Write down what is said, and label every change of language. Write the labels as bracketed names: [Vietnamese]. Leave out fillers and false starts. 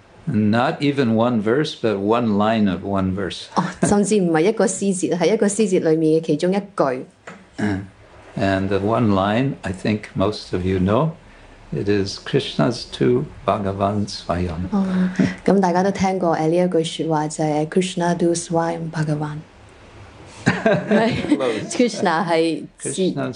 [English] Not even one verse, but one line of one verse. [Cantonese] 甚至唔系一个诗节，系一个诗节里面嘅其中一句。 [English] And the one line, I think most of you know, it is Krishna's to Bhagavan Swayam. [Cantonese] 咁大家都听过呢一句说话，就系 Krishna to Swayam Bhagavan. Krishna 系